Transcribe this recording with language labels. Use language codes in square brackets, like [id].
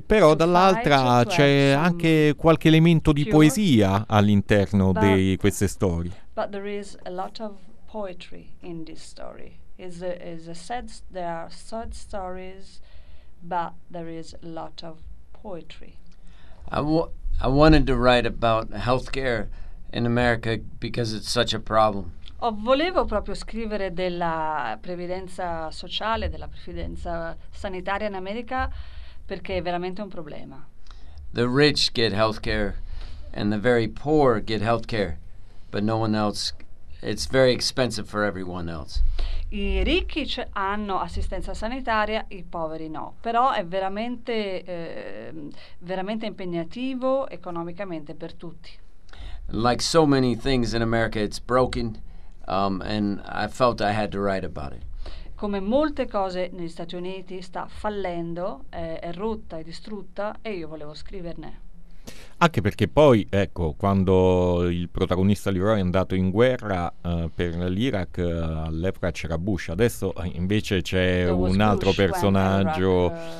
[it] Però dall'altra c'è anche qualche elemento di poesia all'interno di queste storie. [en] But there is a lot of poetry in this story. Is a sad, there are sad stories, but there is a lot of poetry. I wanted to write about healthcare in America because it's such a problem. [it] Ho volevo proprio scrivere della previdenza sociale, della previdenza sanitaria in America, perché è veramente un problema. [en] The rich get healthcare and the very poor get healthcare, but no one else. It's very expensive for everyone else. [it] I ricchi hanno assistenza sanitaria, i poveri no. Però è veramente veramente impegnativo economicamente per tutti. [en] Like so many things in America, it's broken, and I felt I had to write about it. [it] Come molte cose negli Stati Uniti sta fallendo, è rotta, è distrutta, e io volevo scriverne. Anche perché poi, ecco, quando il protagonista Leroy è andato in guerra per l'Iraq, all'epoca c'era Bush, adesso invece c'è un altro personaggio.